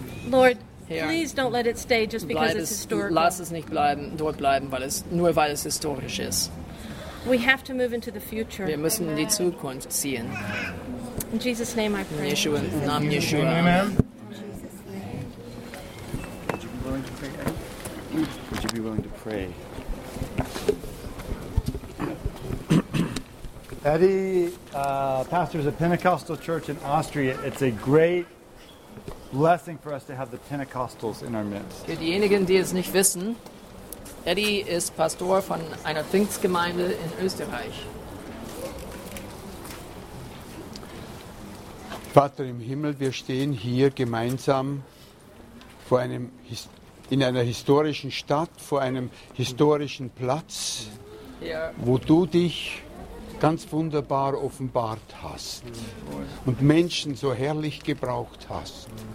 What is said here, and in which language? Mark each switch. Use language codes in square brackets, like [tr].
[en] Lord, please don't let it stay just because it's historical. [de] Lass es nicht dort bleiben, weil es historisch ist. [en] We have to move into the future. [de] Wir müssen in die Zukunft ziehen. [en] In Jesus' name I pray. [de] In Namen Yeshua. [en] Amen. Would you be willing to pray? Eddie pastors a Pentecostal church in Austria. It's a great blessing for us to have the Pentecostals in our midst. [de] Für diejenigen, die es nicht wissen, Eddie ist Pastor von einer Pfingstgemeinde in Österreich. Vater im Himmel, wir stehen hier gemeinsam vor einem in einer historischen Stadt, vor einem historischen Platz, wo du dich ganz wunderbar offenbart hast und Menschen so herrlich gebraucht hast.